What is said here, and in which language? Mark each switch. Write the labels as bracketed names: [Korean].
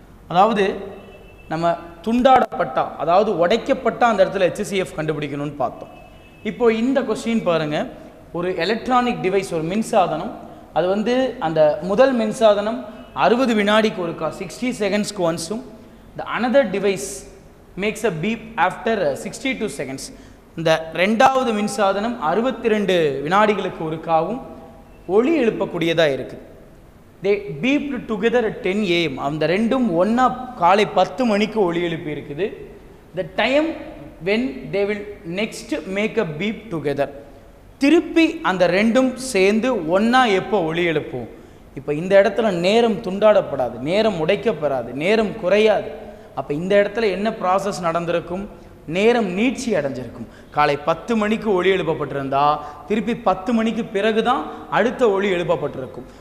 [Tamil] அதாவது நம்ம துண்டாடப்பட்டா, அதாவது உடைக்கப்பட்ட அந்த இடத்துல HCF கண்டுபிடிக்கணும்னு பார்த்தோம். இப்போ இந்த க்வெஸ்சன் பாருங்கள். ஒரு எலக்ட்ரானிக் டிவைஸ், ஒரு மின்சாதனம், அது வந்து அந்த முதல் மின்சாதனம் 60 வினாடிக்கு ஒருக்கா, [English] 60 seconds once. The another device makes a beep after 62 seconds. [Tamil] The ரெண்டாவது மின்சாதனம் 62 வினாடிகளுக்கு ஒருக்காவும் ஒளி எழுப்ப கூடியதா இருக்கு. [English] They beeped together at 10 a.m. [Tamil] அந்த ரெண்டும் ஒண்ணா காலை 10 மணிக்கு ஒளி எழுப்பி இருக்குது. [English] The time when they will next make a beep together. [Tamil] திருப்பி அந்த ரெண்டும் சேர்ந்து ஒண்ணா எப்போ ஒளி எழுப்பும். இப்போ இந்த இடத்துல நேரம் துண்டாடப்படாது, நேரம் உடைக்கப்படாது, நேரம் குறையாது. அப்போ இந்த இடத்துல என்ன ப்ராசஸ் நடந்திருக்கும்? நேரம் நீட்சி அடைஞ்சிருக்கும். காலை 10 மணிக்கு ஒளி எழுப்பப்பட்டிருந்தா திருப்பி 10 மணிக்கு பிறகுதான் அடுத்த ஒளி எழுப்பப்பட்டிருக்கும்.